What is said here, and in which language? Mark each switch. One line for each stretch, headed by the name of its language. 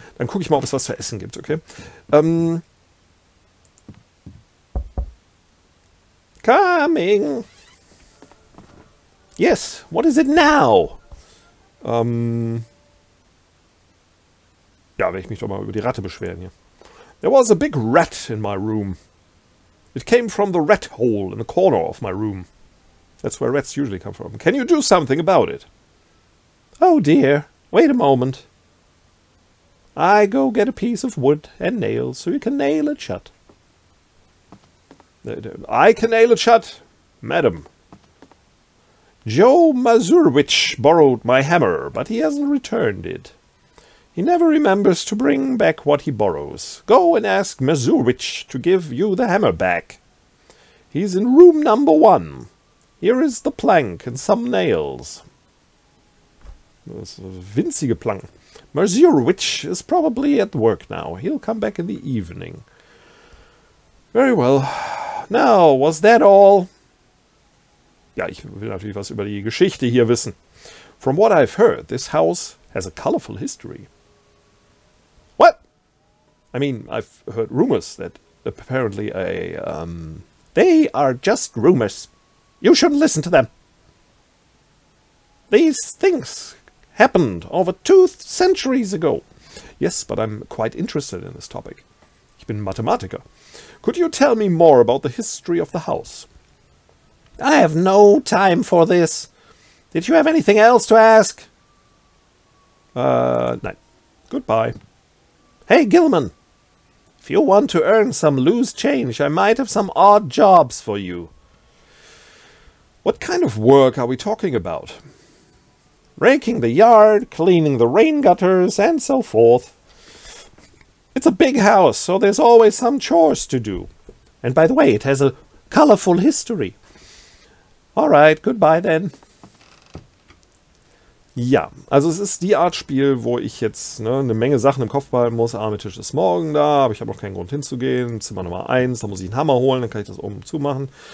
German: Dann gucke ich mal, ob es was zu essen gibt, okay?
English: Coming! Yes, what is it now?
German: Ja, wenn ich mich doch mal über die Ratte beschweren hier.
English: There was a big rat in my room. It came from the rat hole in the corner of my room. That's where rats usually come from. Can you do something about it? Oh dear, wait a moment. I go get a piece of wood and nails so you can nail it shut. I can nail it shut, madam. Joe Mazurwich borrowed my hammer, but he hasn't returned it. He never remembers to bring back what he borrows. Go and ask Mazurwich to give you the hammer back. He's in room number one. Here is the plank and some nails. Winzige Plank. Mazurwich is probably at work now. He'll come back in the evening. Very well. Now, was that all?
German: Ja, ich will natürlich was über die Geschichte hier wissen.
English: From what I've heard, this house has a colorful history. What? I mean, I've heard rumors that apparently they are just rumors. You shouldn't listen to them. These things happened over 2 centuries ago. Yes, but I'm quite interested in this topic.
German: Ich bin Mathematiker.
English: Could you tell me more about the history of the house? I have no time for this. Did you have anything else to ask? Nein. Goodbye. Hey, Gilman. If you want to earn some loose change, I might have some odd jobs for you. What kind of work are we talking about? Raking the yard, cleaning the rain gutters, and so forth. It's a big house, so there's always some chores to do. And by the way, it has a colorful history. All right, goodbye then.
German: Ja, also es ist die Art Spiel, wo ich jetzt eine Menge Sachen im Kopf behalten muss. Arme Tisch ist morgen da, aber ich habe noch keinen Grund hinzugehen. Zimmer Nummer 1, da muss ich einen Hammer holen, dann kann ich das oben zumachen.